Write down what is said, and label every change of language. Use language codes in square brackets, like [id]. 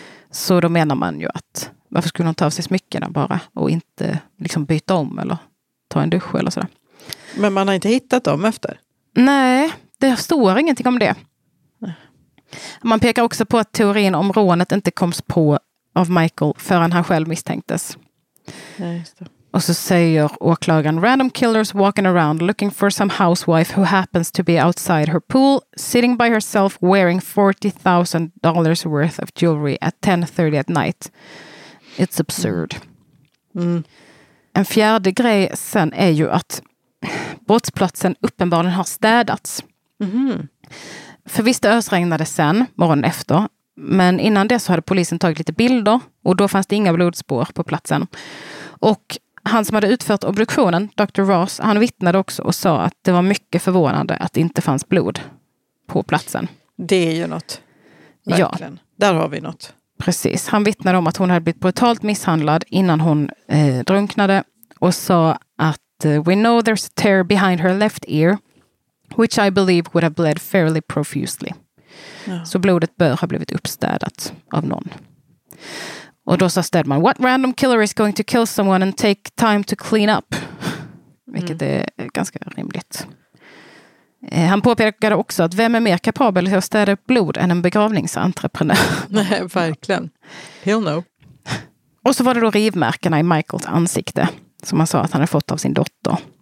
[sv] Så då menar man ju att varför skulle hon ta av sig smyckena bara och inte liksom byta om eller ta en dusch eller sådär. Men man har inte hittat dem efter? Nej, det står ingenting om det. Nej. Man pekar också på att teorin om rånet inte koms på av Michael förrän han själv misstänktes. Nej, just det. Och så säger åklagaren: [en] random killers walking around looking for some housewife who happens to be outside her pool sitting by herself wearing $40,000 worth of jewelry at 10:30 at night. It's absurd. Mm. [sv] En fjärde grej sen är ju att brottsplatsen uppenbarligen har städats. Mm-hmm. För visst det ösregnade sen, morgonen efter. Men innan det så hade polisen tagit lite bilder och då fanns det inga blodspår på platsen. Och han som hade utfört obduktionen, Dr. Ross, han vittnade också och sa att det var mycket förvånande att det inte fanns blod på platsen. Det är ju något. Verkligen. Ja. Där har vi något. Precis. Han vittnade om att hon hade blivit brutalt misshandlad innan hon drunknade och sa att [en] we know there's a tear behind her left ear which I believe would have bled fairly profusely. [sv] Ja. Så blodet bör ha blivit uppstädat av någon. Och då sa Stedman, [en] what random killer is going to kill someone and take time to clean up? [sv] Vilket är ganska rimligt. Han påpekade också att vem är mer kapabel att städa upp blod än en begravningsentreprenör? Nej, verkligen. [en] He'll know. [sv] Och så var det då rivmärkena i Michaels ansikte, som han sa att han hade fått av sin dotter.